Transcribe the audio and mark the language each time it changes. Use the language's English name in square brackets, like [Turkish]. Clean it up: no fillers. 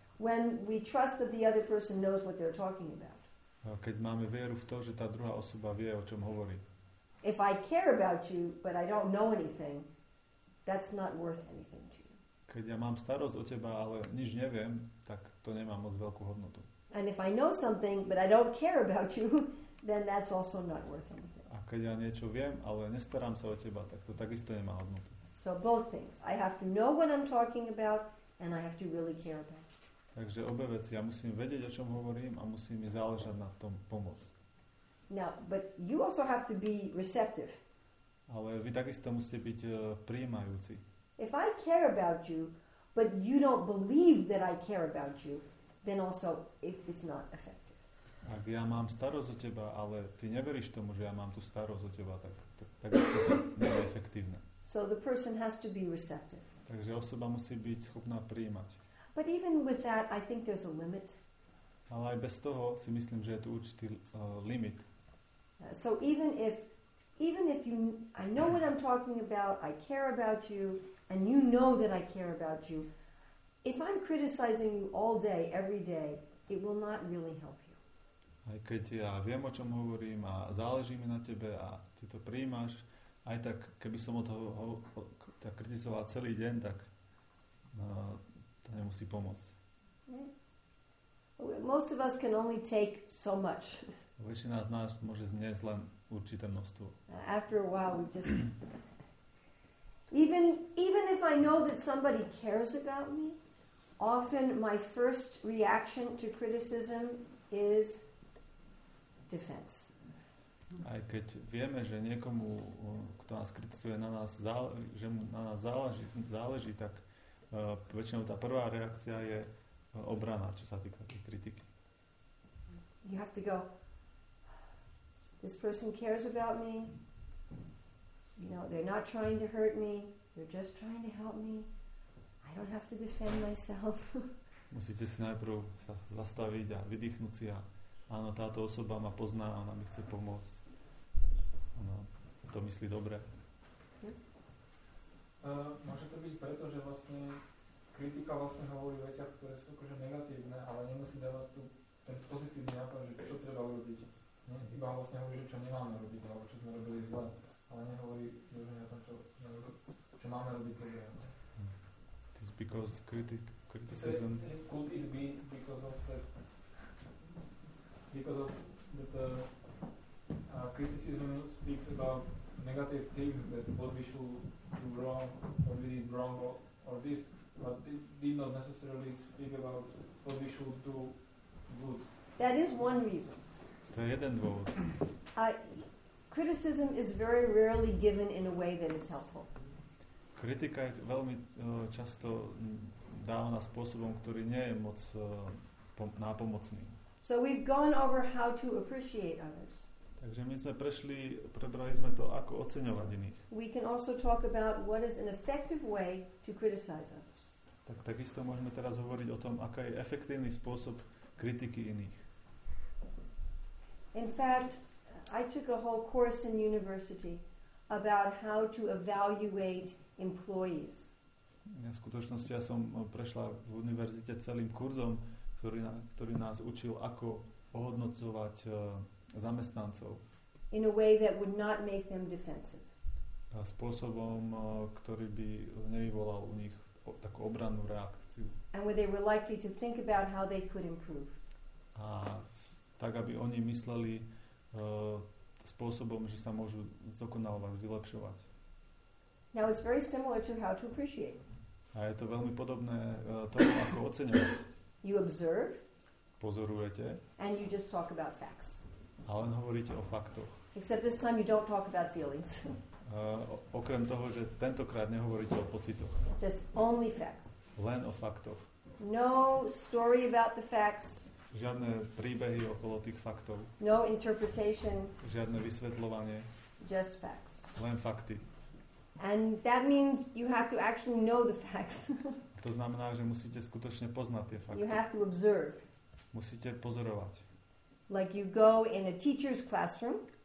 [English] When we trust that the other person knows what they're talking about. [Slovak] Keď máme vieru v to, že tá druhá osoba vie, o čom hovorí. [English] If I care about you, but I don't know anything, that's not worth anything to you. [Slovak] Keď ja mám starosť o teba, ale nič neviem, tak to nemá moc veľkú hodnotu. [English] And if I know something, but I don't care about you, then that's also not worth anything. [Slovak] A keď ja niečo viem, ale nestarám sa o teba, tak to takisto nemá hodnotu. [English] So both things. I have to know what I'm talking about, and I have to really care about you. [Slovak] Takže obe veci. Ja musím vedieť, o čom hovorím a musím mi záležať na tom pomôcť. [English] Now, but you also have to be receptive. [Slovak] Ale vy takisto musíte byť prijímajúci. [English] If I care about you, but you don't believe that I care about you, then also it's not effective. [Slovak] Ak ja mám starosť o teba, ale ty neveríš tomu, že ja mám tú starosť o teba, tak to nie je efektívne. [English] So the person has to be receptive. [Slovak] Takže osoba musí byť schopná prijímať. [English] But even with that, I think there's a limit. [Slovak] Ale aj bez toho si myslím, že je tu určitý limit. [English] So even if you, I know what I'm talking about, I care about you, and you know that I care about you, if I'm criticizing you all day, every day, it will not really help you. [Slovak] Aj keď ja viem, o čom hovorím a záleží mi na tebe a ty to prijímaš, aj tak, keby som tak kritizoval celý deň, tak to nemusí pomôcť. [English] Yeah. Most of us can only take so much. [Slovak] Väčšina z nás môže zniesť len určité množstvo. [English] After a while we just even if I know that somebody cares about me, often my first reaction to criticism is defense. [Slovak] Aj keď vieme, že niekomu, kto nás kritizuje, na nás záleží, že mu na nás záleží, tak väčšinou tá prvá reakcia je obrana, čo sa týka tej kritiky. [English] You have to go, this person cares about me, you know, they're not trying to hurt me, they're just trying to help me, I don't have to defend myself. [Slovak] Musíte si najprv sa zastaviť a vydýchnuť si a áno, táto osoba ma pozná, ona mi chce pomôcť. Ona to myslí dobre. Môže to byť preto, že vlastne kritika vlastne hovorí o veciach, ktoré sú akože negatívne, ale nemusí dávať tu ten pozitívny nápad, že čo treba urobiť. Nie, iba vlastne hovorí, že čo nemáme robiť, alebo čo sme robili zle, ale nehovorí vlastne o tom, čo máme robiť dobre. [English] It's because criticism... Could it be because of the criticism speaks about negative things, that what we should do wrong, or we did wrong, or this, but did not necessarily speak about what we should do good. That is one reason. [Slovak] To je jeden dôvod. [English] Criticism is very rarely given in a way that is helpful. [Slovak] Kritika je veľmi často dávaná spôsobom, ktorý nie je moc nápomocný. [English] So we've gone over how to appreciate others. [Slovak] Takže my sme prešli, prebrali sme to, ako oceňovať iných. [English] We can also talk about what is an effective way to criticize others. [Slovak] Tak takisto môžeme teraz hovoriť o tom, aký je efektívny spôsob kritiky iných. [English] In fact, I took a whole course in university about how to evaluate employees. [Slovak] Ja v skutočnosti ja som prešla v univerzite celým kurzom, ktorý nás učil, ako ohodnocovať zamestnancov. [English] In a way that would not make them defensive. [Slovak] A spôsobom, ktorý by nevyvolal u nich takú obrannú reakciu. [English] And where they were likely to think about how they could improve. [Slovak] A tak, aby oni mysleli spôsobom, že sa môžu zdokonalovať, vylepšovať. [English] Now it's very similar to how to appreciate. [Slovak] A je to veľmi podobné tomu, ako oceňovať. [English] You observe. [Slovak] Pozorujete. [English] And you just talk about facts. [Slovak] A len hovoríte o faktoch. [English] Except this time you don't talk about feelings. [Slovak] Okrem toho, že tentokrát nehovoríte o pocitoch. [English] Just only facts. [Slovak] Len o faktoch. [English] No story about the facts. [Slovak] Žiadne príbehy okolo tých faktov. [English] No interpretation. [Slovak] Žiadne vysvetľovanie. [English] Just facts. [Slovak] Len fakty. [English] And that means you have to actually know the facts. [Slovak] To znamená, že musíte skutočne poznať tie fakty. [English] You have to observe. [Slovak] Musíte pozorovať. [English] Like you go in a teacher's classroom.